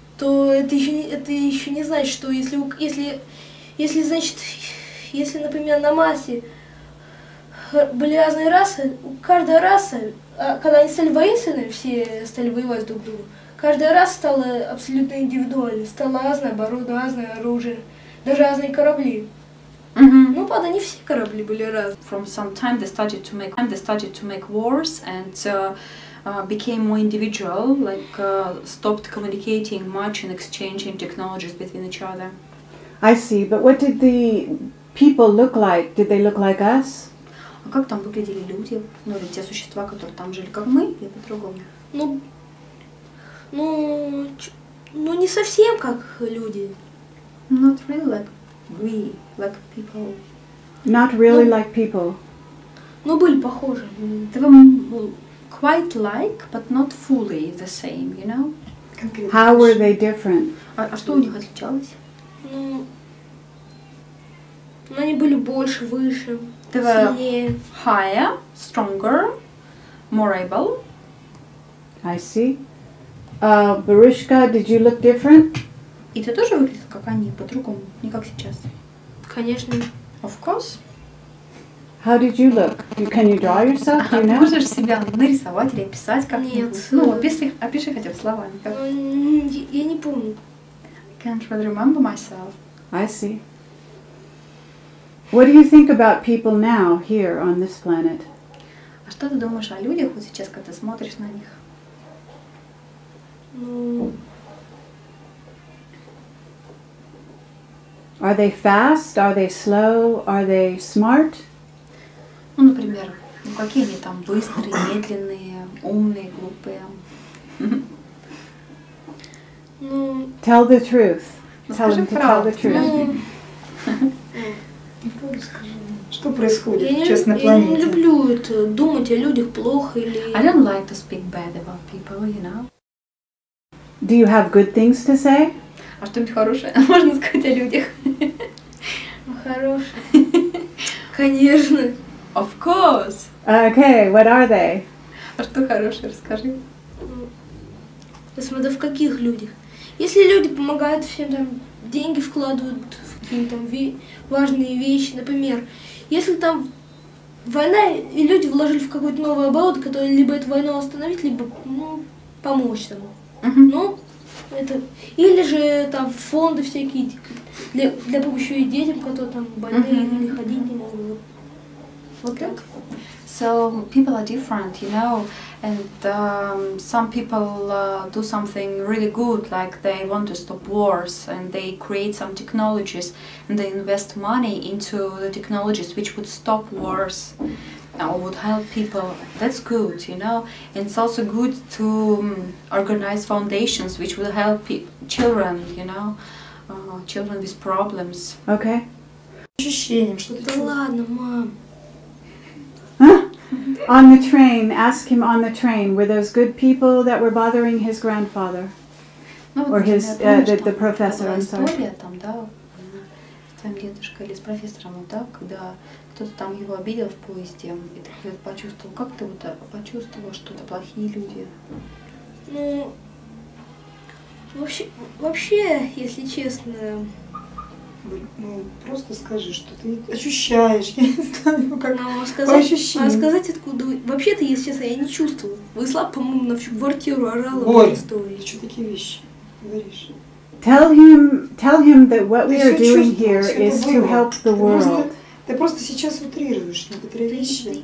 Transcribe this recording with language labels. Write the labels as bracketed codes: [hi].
[ru] то это еще не значит, что если, например, на Марсе были разные расы, каждая раса, когда они стали воинственными, все стали воевать друг с другом, каждая раса стала абсолютно индивидуальной, стала разное оборудование, разное оружие, даже разные корабли. [en] Mm-hmm. [ru] Ну, правда, не все корабли были разные. [en] From some time they started to make wars and became more individual, like stopped communicating much and exchanging technologies between each other. I see, but what did the people look like? Did they look like us? [ru] А как там выглядели люди? Ну, или те существа, которые там жили, как мы, или по-другому? Ну, Ну не совсем как люди. [en] Not really like we, like people. Not really like people. [ru] Ну были похожи. [en] They were quite like, but not fully the same, you know? How were they different? [ru] А что у них отличалось? Ну, они были больше, выше, сильнее. [en] Higher, stronger, more able. I see. Boriska, did you look different? [ru] И ты тоже выглядел как они, по-другому, не как сейчас. Конечно. [en] Of course. How did you look? Can you draw yourself? Do you know? [ru] Можешь себя нарисовать или описать как-нибудь? Нет. Ну, опиши хотя бы словами. Я не помню. [en] Can't really remember myself. I see. What do you think about people now, here, on this planet? [ru] А что ты думаешь о людях вот сейчас, когда смотришь на них? [en] Are they fast? Are they slow? Are they smart? [ru] Ну, например, ну какие они там быстрые, медленные, умные, глупые. Ну. [en] Tell the truth. [ru] Скажи правду. Что происходит, честно, на планете? Я не люблю это, думать о людях плохо или. [en] I don't like to speak bad about people, you know. Do you have good things to say? [ru] А что-нибудь хорошее можно сказать о людях? Ну, хорошее. Конечно. [en] Of course. Okay, what are they? [ru] А что хорошее, расскажи. Я смотрю, в каких людях. Если люди помогают всем, там, деньги вкладывают в какие-то там важные вещи, например, если там война, и люди вложили в какой-то новый оборот, который либо эту войну остановить, либо, ну, помочь тому. [en] Uh-huh. [ru] Ну, это... Или же там фонды всякие для помощи и детям, которые там больные uh-huh. или ходить не могут. [en] Okay. So people are different, you know, and some people do something really good, like they want to stop wars and they create some technologies and they invest money into the technologies which would stop wars or would help people. That's good, you know, and it's also good to organize foundations which will help children, you know, children with problems. Okay. [ru] Да ладно, мам. [en] On the train, ask him on the train, were those good people that were bothering his grandfather? Ну, or вот, his, [ru] я помню, [en] the professor, I'm sorry. [ru] История там, да, с твоим дедушкой или с профессором, вот так, когда кто-то там его обидел в поезде, и ты вот почувствовал, как ты вот почувствовал, что это плохие люди? Ну, вообще, если честно... Ну, просто скажи, что ты ощущаешь, я не знаю, как сказать, по ощущениям. А сказать откуда? Вообще-то, если честно, я не чувствовала. Вышла, по-моему, на всю квартиру, орала в этой истории. Ой, ты что такие вещи говоришь? [en] Tell him that what we are doing here is to help the world. [ru] Ты просто сейчас утрируешь некоторые вещи.